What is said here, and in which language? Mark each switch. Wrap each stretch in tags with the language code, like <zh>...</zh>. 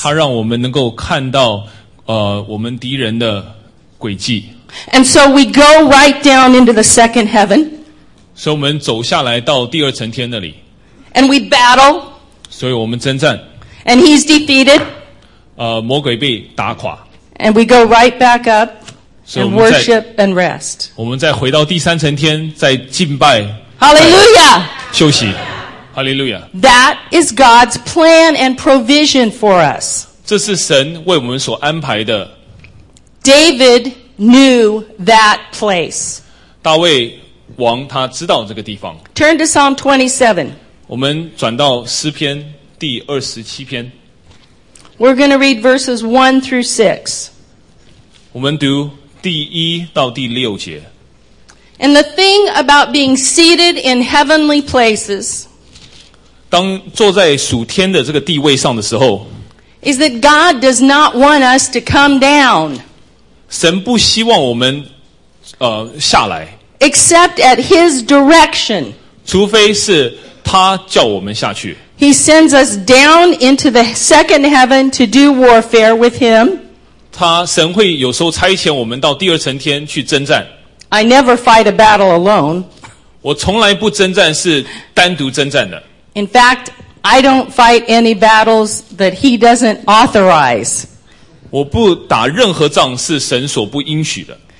<zh>他让我们能够看到我们敌人的诡计。</zh> <en>And so we go right down into the second heaven.</en> <zh>所以我们走下来到第二层天那里。</zh> <en>And we battle.</en> <zh>所以我们征战。</zh> <en>And he's defeated.</en> <zh>魔鬼被打垮。</zh> <en>And we go right back up and worship and rest.</en> <zh>我们再回到第三层天，再敬拜。</zh> <en>Hallelujah.</en> <zh>休息。Hallelujah.</zh> <en>That is God's plan and provision for us.</en> <zh>这是神为我们所安排的。</zh> <en>David knew that place.</en> <zh>大卫王他知道这个地方。</zh> <en>Turn to Psalm 27.</en> <zh>我们转到诗篇第二十七篇。</zh> <en>We're going to read verses 1 through 6.</en> <zh>我们读第一到第六节。</zh> <en>And the thing about being seated in heavenly places.</en> <zh>当坐在属天的这个地位上的时候。</zh> <en>Is that God does not want us to come down.</en> <zh>神不希望我们下来。</zh> <en>Except at his direction.</en> <zh>除非是他叫我们下去。</zh> <en>He sends us down into the second heaven to do warfare with him.</en> <zh>他神会有时候差遣我们到第二层天去征战。</zh> <en>I never fight a battle alone.</en> <zh>我从来不征战是单独征战的。</zh> <en>In fact, I don't fight any battles that he doesn't authorize.</en> <zh>我不打任何仗是神所不应许的。</zh>